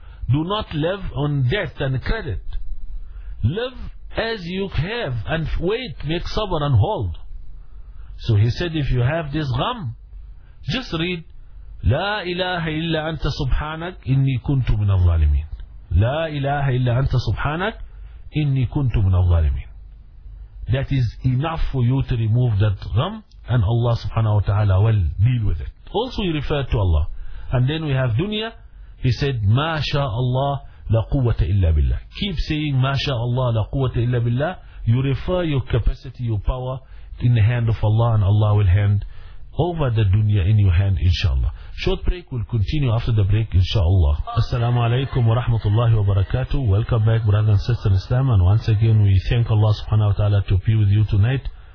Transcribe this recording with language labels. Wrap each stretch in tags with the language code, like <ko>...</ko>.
<en>Do not live on debt and credit. Live as you have and wait, make sabr and hold. So he said, if you have this gham, just read,</en> <ar>لا إله إلا أنت سبحانك إني كنت من الظالمين. لا إله إلا أنت سبحانك إني كنت من الظالمين.</ar> <en>That is enough for you to remove that gham, and Allah subhanahu wa ta'ala will deal with it. Also he referred to Allah. And then we have dunya. He said,</en> <ar>مَا شَاءَ اللَّهِ لَا قُوَّةَ إِلَّا بِاللَّهِ.</ar> <en>Keep saying,</en> <ar>مَا شَاءَ اللَّهِ لَا قُوَّةَ إِلَّا بِاللَّهِ.</ar> <en>You refer your capacity, your power in the hand of Allah, and Allah will hand over the dunya in your hand, inshallah. Short break, will continue after the break, inshallah. Assalamu alaikum wa rahmatullahi wa barakatuh. Welcome back, brothers and sisters in Islam. And once again, we thank Allah subhanahu wa ta'ala to be with you tonight.</en>